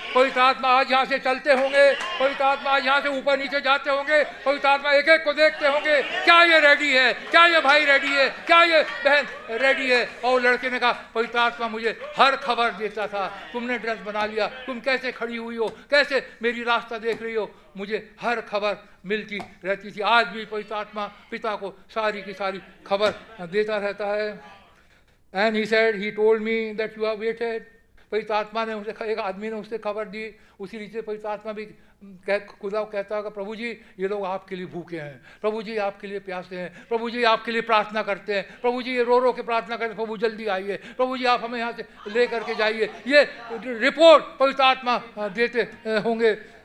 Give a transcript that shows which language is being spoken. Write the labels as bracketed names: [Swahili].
[Hindi] पवित्र आत्मा आज यहाँ से चलते होंगे, पवित्र आत्मा आज यहाँ से ऊपर नीचे जाते होंगे, पवित्र आत्मा एक एक को देखते होंगे, क्या ये रेडी है, क्या ये भाई रेडी है, क्या ये बहन रेडी है। और लड़के ने कहा पवित्र आत्मा मुझे हर खबर देता था, तुमने ड्रेस बना लिया, तुम कैसे खड़ी हुई हो, कैसे मेरी रास्ता देख रही हो, मुझे हर खबर मिलती रहती थी। आज भी पवित्र आत्मा पिता को सारी की सारी खबर देता रहता है। [English] And he said, he told me that you have waited. [Hindi] पवित्रात्मा ने उसे, एक आदमी ने उसे खबर दी, उसी रीति से पवित्रात्मा भी खुदा कहता होगा, प्रभु जी ये लोग आपके लिए भूखे हैं, प्रभु जी आपके लिए प्यासे हैं, प्रभु जी आपके लिए प्रार्थना करते हैं, प्रभु जी ये रो रो के प्रार्थना करते हैं, प्रभु जल्दी आइए, प्रभु जी आप हमें यहाँ से ले करके जाइए, ये रिपोर्ट पवित्रात्मा देते होंगे।